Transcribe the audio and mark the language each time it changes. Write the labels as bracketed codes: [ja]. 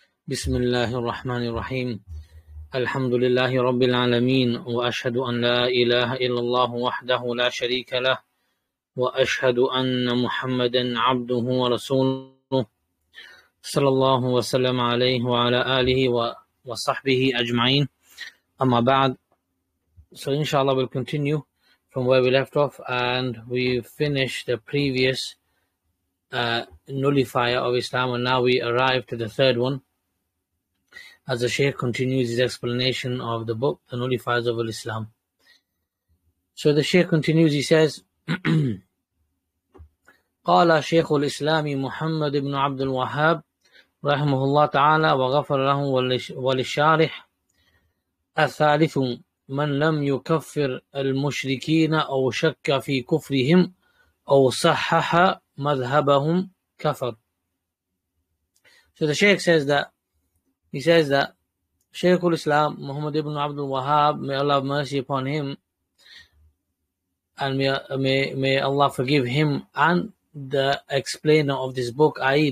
[ar] بسم الله الرحمن الرحيم الحمد لله رب العالمين وأشهد أن لا إله إلا الله وحده لا شريك له وأشهد أن محمدا عبده ورسوله صلى الله وسلم عليه وعلى آله وصحبه أجمعين أما بعد [en] So inshallah we'll continue from where we left off and we finished the previous nullifier of Islam and now we arrive to the third one. As the Shaykh continues his explanation of the book, The Nullifiers of Islam. So the Shaykh continues, he says, [ar] قَالَ شَيْخُ الْإِسْلَامِ مُحَمَّدِ بْنُ عَبْدِ الْوَهَابِ رَحِمُهُ اللَّهُ تَعَالَى وَغَفَرَ لَهُ وَلِلشَّارِحِ الثَّالِثُ مَنْ لَمْ يُكَفِّرْ الْمُشْرِكِينَ أَوْ شَكَّ فِي كُفْرِهِمْ أَوْ صَحَّحَ مَذْهَبَهُمْ كَفَرْ. [en] So the Shaykh says that He says that Shaykh al-Islam, Muhammad ibn Abdul Wahab, may Allah have mercy upon him and may Allah forgive him and the explainer of this book, i.e.